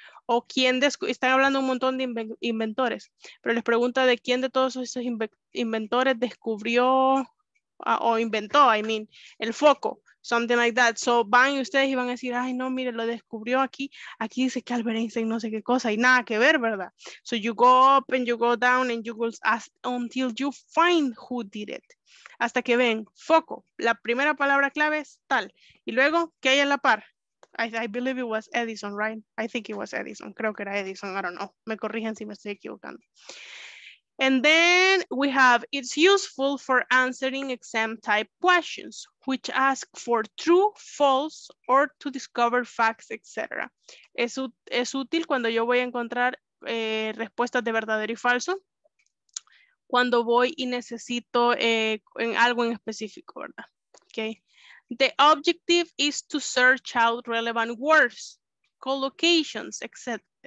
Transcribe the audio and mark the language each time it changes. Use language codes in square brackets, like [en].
[es] O quién, están hablando un montón de inventores, pero les pregunta de quién de todos esos inventores descubrió, o inventó, [en] I mean, [es] el foco. [en] Something like that. [es] So van ustedes y van a decir, ay no, mire, lo descubrió aquí. Aquí dice que Albert Einstein no sé qué cosa. Y nada que ver, ¿verdad? [en] So you go up and you go down and you go until you find who did it. [es] Hasta que ven, foco. La primera palabra clave es tal. Y luego, ¿qué hay en la par? [en] I believe it was Edison, right? I think it was Edison. [es] Creo que era Edison, [en] I don't know. [es] Me corrigen si me estoy equivocando. [en] And then we have, it's useful for answering exam type questions, which ask for true, false, or to discover facts, etc. [es] Es útil cuando yo voy a encontrar respuestas de verdadero y falso, cuando voy y necesito en algo en específico, ¿verdad? [en] Okay. The objective is to search out relevant words, collocations, etc.